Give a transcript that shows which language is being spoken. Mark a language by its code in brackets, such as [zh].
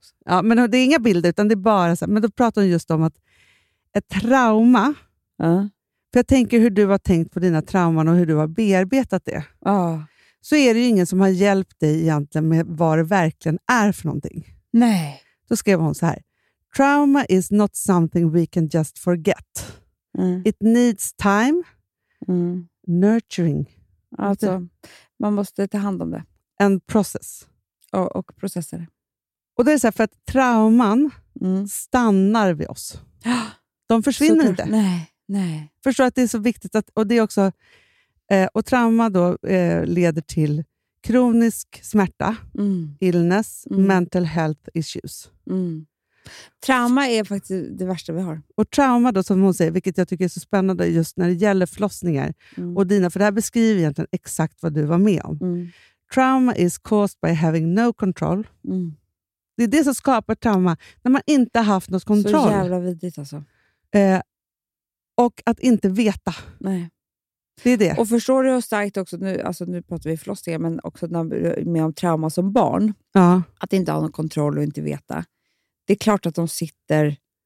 [sv] Ja, men det är inga bilder, utan det är bara så här. Men då pratar hon just om att ett trauma. För jag tänker hur du har tänkt på dina trauman och hur du har bearbetat det. Så är det ju ingen som har hjälpt dig egentligen med vad det verkligen är för någonting. Nej. Då skrev hon så här. [en] Trauma is not something we can just forget. It needs time. Nurturing. [sv] Alltså, man måste ta hand om det. En process. Och processer. Och det är så här, för att trauman stannar vid oss. De försvinner inte. Nej. Förstår att det är så viktigt att, och det är också, och trauma då leder till kronisk smärta, [en] illness, mental health issues. [sv] Trauma är faktiskt det värsta vi har. Och trauma då, som hon säger, vilket jag tycker är så spännande just när det gäller förlossningar och dina, för det här beskriver egentligen exakt vad du var med om. [en] Trauma is caused by having no control. [sv] Det är det som skapar trauma, när man inte har haft något kontroll. Så jävla vidrigt alltså. Och att inte veta. Nej. Det är det. Och förstår du hur starkt också, nu pratar vi förlossningar, men också när du är med om trauma som barn. Ja. Att inte ha någon kontroll och inte veta. Det är klart att de sitter...